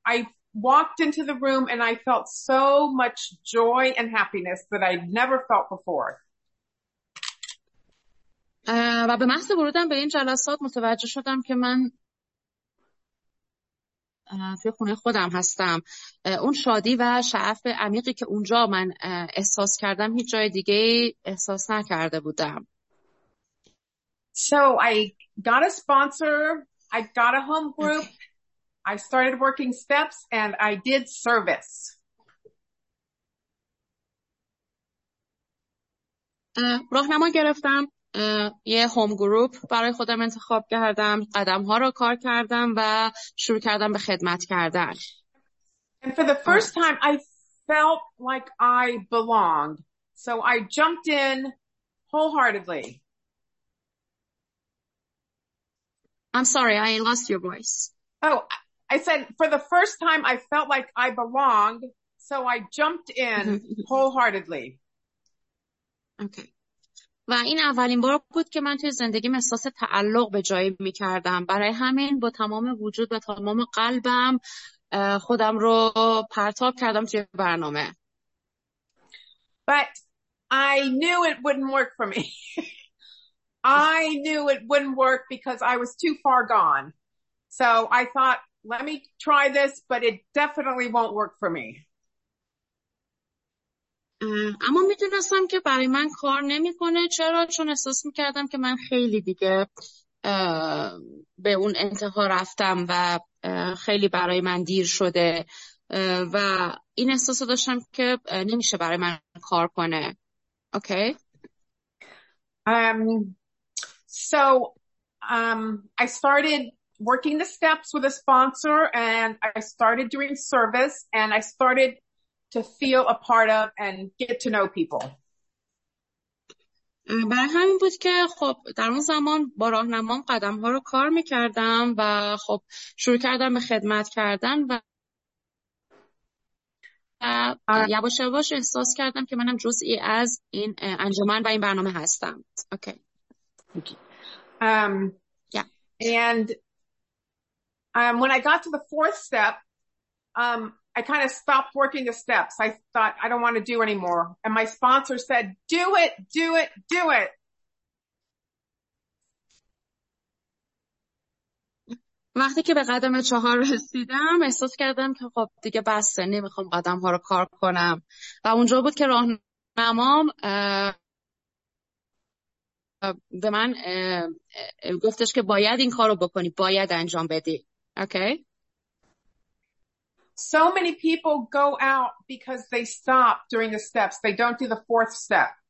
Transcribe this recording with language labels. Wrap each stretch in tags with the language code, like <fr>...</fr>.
<en>I walked into the room and I felt so much joy and happiness that I'd never felt before.</en> <fa>و به محض ورودم به این جلسات متوجه شدم که من توی خونه خودم هستم. اون شادی و شعف عمیقی که اونجا من احساس کردم هیچ جای دیگه احساس نکرده بودم.</fa> <en>So I got a sponsor, I got a home group, okay. I started working steps and I did service.</en> <fa>راهنما گرفتم، یه هوم گروپ برای خودم انتخاب کردم، قدم ها رو کار کردم و شروع کردم به خدمت کردن.</fa> <en>And for the first time I felt like I belonged. So I jumped in wholeheartedly. I'm sorry, I lost your voice. Oh, I said for the first time I felt like I belonged, so I jumped in wholeheartedly. Okay.</en> <fa>و این اولین بار بود که من توی زندگیم احساس تعلق به جایی می‌کردم. برای همین با تمام وجود و تمام قلبم خودم رو پرتاب کردم توی برنامه.</fa> <en>But I knew it wouldn't work for me. I knew it wouldn't work because I was too far gone. So I thought, let me try this, but it definitely won't work for me.</en> <fa>اما میدونستم که برای من کار نمیکنه. چرا؟ چون احساس میکردم که من خیلی دیگه به اون انتها رفتم و خیلی برای من دیر شده و این احساس رو داشتم که نمیشه برای من کار کنه. Okay.</fa> <en>So I started working the steps with a sponsor, and I started doing service, and I started to feel a part of and get to know people.</en> <fa>برای همین بود که خب در اون زمان با راهنمام قدم ها رو کار میکردم و خب شروع کردم به خدمت کردن و یواش یواش احساس کردم که منم جزئی از این انجمن و این برنامه هستم.</fa> <en>Okay. And when I got to the fourth step, I kind of stopped working the steps. I thought, I don't want to do anymore. And my sponsor said, do it, do it, do it.</en> <fa>وقتی که به قدم چهار رسیدم احساس کردم که خب دیگه بسه، نمیخوام قدم ها رو کار کنم و اونجا بود که راهنمام به من گفتش که باید این کارو بکنی، باید انجام بدی.</fa> <en>Okay. So many people go out because they stop during the steps. They don't do the fourth step.</en>